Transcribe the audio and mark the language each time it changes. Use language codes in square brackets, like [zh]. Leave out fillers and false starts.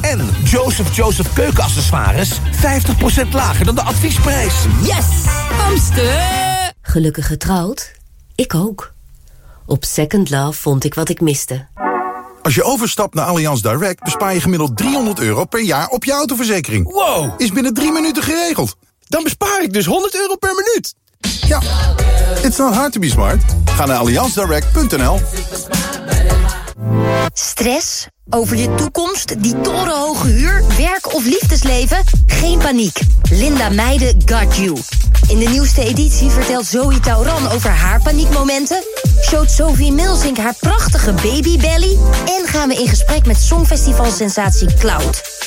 [nl] En Joseph keukenaccessoires, 50% lager dan de adviesprijs. [en] Yes, hamster. [nl] Gelukkig getrouwd? Ik ook. Op Second Love vond ik wat ik miste. Als je overstapt naar Allianz Direct bespaar je gemiddeld €300 per jaar op je autoverzekering. Wow! Is binnen 3 minuten geregeld. Dan bespaar ik dus €100 per minuut. [en] Ja, it's not hard to be smart. [nl] Ga naar allianzdirect.nl. Stress? Over je toekomst, die torenhoge huur, werk of liefdesleven? Geen paniek. [en] Linda Meijden got you. [nl] In de nieuwste editie vertelt Zoë Tauran over haar paniekmomenten, showt Sophie Milsink haar prachtige babybelly en gaan we in gesprek met songfestivalsensatie Cloud.